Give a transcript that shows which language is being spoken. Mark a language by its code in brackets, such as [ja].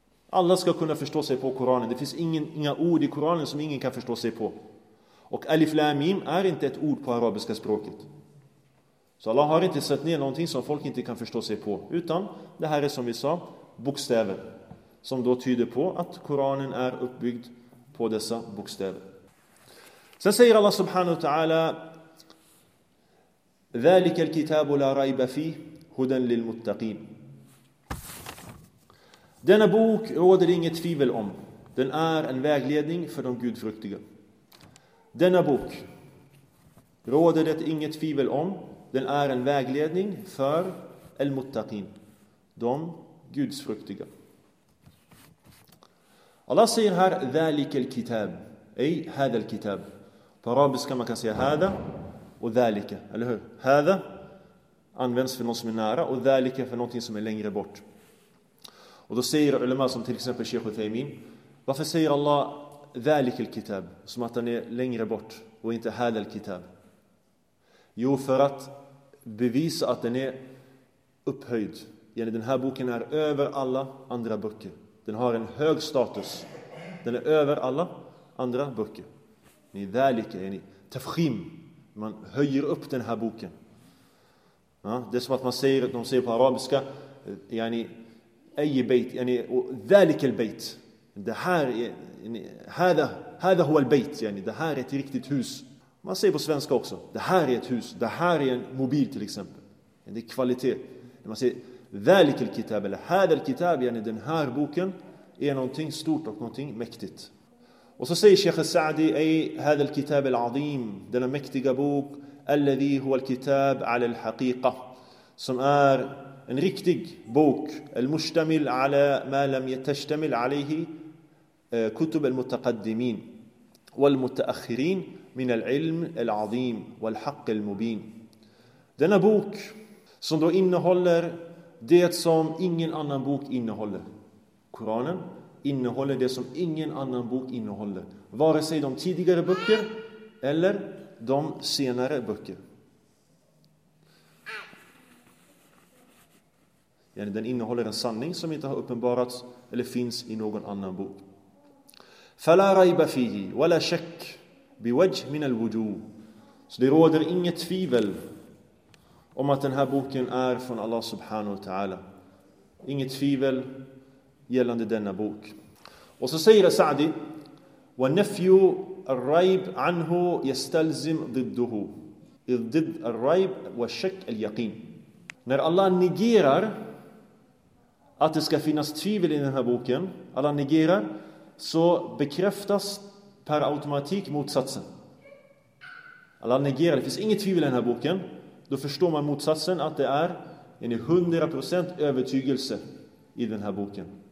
[sv] Alla ska kunna förstå sig på Koranen. Det finns inga ord i Koranen som ingen kan förstå sig på. Och alif lam mim är inte ett ord på arabiska språket. Så Allah har inte satt ner någonting som folk inte kan förstå sig på. Utan det här är som vi sa, bokstäver. Som då tyder på att Koranen är uppbyggd på dessa bokstäver. Sen säger Allah subhanahu wa ta'ala, [ar] ذَلِكَ الْكِتَابُ لَا رَيْبَ فِيهُ هُدًا لِلْمُتَّقِينَ. [sv] Denna bok råder inget tvivel om. Den är en vägledning för de gudfruktiga. Denna bok råder det inget tvivel om. Den är en vägledning för al-muttaqin, de gudsfruktiga. Allah säger här [ar] ذَلِكَ الْكِتَابُ اَيْ هَذَا الْكِتَابُ. [sv] På arabiska man kan säga هَذَا och ذَلِكَ, eller hur? هَذَا används för något som är nära och ذَلِكَ för något som är längre bort. Och då säger ulema som till exempel Sheikh Uthaymin, varför säger Allah [ar] ذَلِكَ الْكِتَابُ [sv] som att den är längre bort och inte [ar] هَذَا الْكِتَابُ? [sv] Jo, för att bevisa att den är upphöjd. Den här boken är över alla andra böcker. Den har en hög status. Den är över alla andra böcker. Ni ذَلِكَ är ni تَفْخِيم. Man höjer upp den här boken. Ja, det är som att man säger, de säger på arabiska, yani ayy bayt, yani [ar] ذَلِكَ الْبَيْت. [sv] Det här är [ar] هذا هو البيت, [sv] yani det här är ett riktigt hus. Man säger på svenska också, det här är ett hus, det här är en mobil till exempel. Det är kvalitet. Man säger [ar] ذَلِكَ الْكِتَابَ [sv] eller [ar] هَذَا الْكِتَابَ, [sv] yani den här boken är någonting stort och någonting mäktigt. Och så säger Sheikh Sa'di, [ar] ay هذا الكتاب العظيم, [sv] denna mäktiga bok, [ar] الذي هو الكتاب على الحقيقة, [sv] som är en riktig bok, [ar] المشتمل على ما لم يتشتمل عليه كتب المتقدمين والمتأخرين من العلم العظيم والحق المبين. [sv] Denna bok som då innehåller det som ingen annan bok innehåller. Koranen innehåller det som ingen annan bok innehåller. Vare sig de tidigare böcker eller de senare böcker. Den innehåller en sanning som inte har uppenbarats eller finns i någon annan bok. [ar] فَلَا رَيْبَ فِيهِ وَلَا شَكْ بِوَجْهْ مِنَ الْوُجُوهِ. [sv] Så det råder inget tvivel om att den här boken är från Allah subhanahu wa ta'ala. Inget tvivel gällande denna bok. Och så säger Sa'di, [ar] وَنَفْيُ الرَّيْبْ عَنْهُ يَسْتَلْزِمْ ضِدُّهُ إِذْ ضِدْ الرَّيْبْ وَشَكْ الْيَقِينَ. [sv] När Allah negerar att det ska finnas tvivel i den här boken, Allah negerar, så bekräftas per automatik motsatsen. Alla negerar, det finns inget tvivel i den här boken. Då förstår man motsatsen, att det är en 100% övertygelse i den här boken.